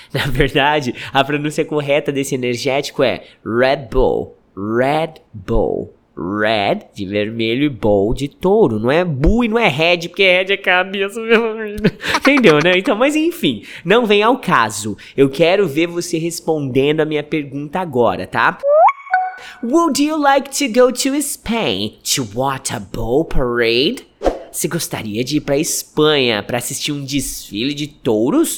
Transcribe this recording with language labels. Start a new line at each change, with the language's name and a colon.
Portuguese: Na verdade, a pronúncia correta desse energético é Red Bull, Red Bull, Red de vermelho e Bull de touro. Não é Bull e não é Red, porque Red é cabeça, meu amigo. Entendeu, né? Então, mas enfim, não vem ao caso. Eu quero ver você respondendo a minha pergunta agora, tá?
English: Would you like to go to Spain to watch a bull parade?
Portuguese: Você gostaria de ir pra Espanha pra assistir um desfile de touros?